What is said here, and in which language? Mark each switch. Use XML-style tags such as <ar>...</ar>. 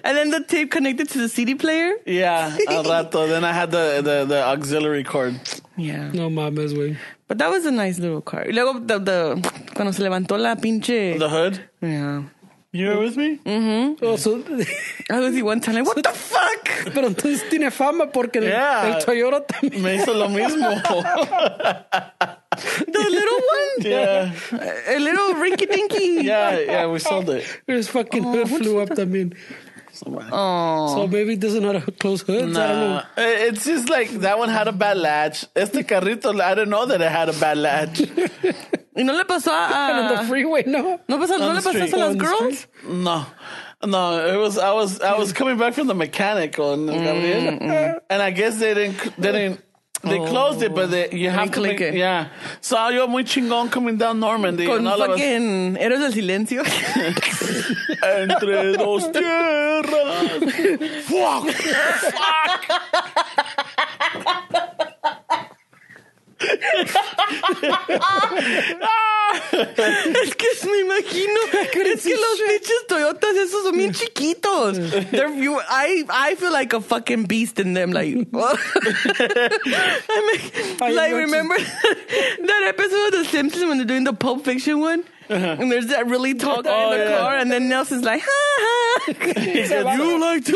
<en>And then the tape connected to the CD player. Yeah.</en> <es>Al rato.</es> <en>Then I had the auxiliary cord. Yeah.</en> <es>No mames, wey.</es> <en>But that was a nice little car.</en> <es>Luego,</es> <en>the</en> <es>cuando se levantó la pinche.</es> <en>The hood? Yeah. You were with me? Mm-hmm. Also, I was the one telling, what the fuck?</en> <es>Pero entonces tiene fama porque el Toyota también. Me hizo lo mismo.</es> <en>The little one? Yeah. A little rinky-dinky. Yeah, we sold it. It was fucking hood flew up</en> <es>también.</es> <en>Oh. So maybe it doesn't have a close hood. Nah. It's just like that one had a bad latch.</en> <es>Este carrito,</es> <en>I didn't know that it had a bad latch.</en> <es>Y no le pasó a</es> <en>on the freeway, no.</en> <es>No, pasó, no le pasó a las girls.</es> <en>No. No, it was I was coming back from the mechanic on Gabriel. And I guess they closed it, but you have to click it. Yeah. So</en> <es>yo muy chingón</es> <en>coming down Normandy.</en> <es>Con fucking Héroes del Silencio. Entre dos tierras. Fuck.</es> <en>Fuck.</en> <es>Es que me imagino que los pinches Toyotas esos son bien chiquitos.</es> <en>I feel like a fucking beast in them, like, I mean, like, remember that episode of The Simpsons when they're doing the Pulp Fiction one? Uh-huh. And there's that really tall guy in the car, and then Nelson's like, ha ha. He said, you like to</en>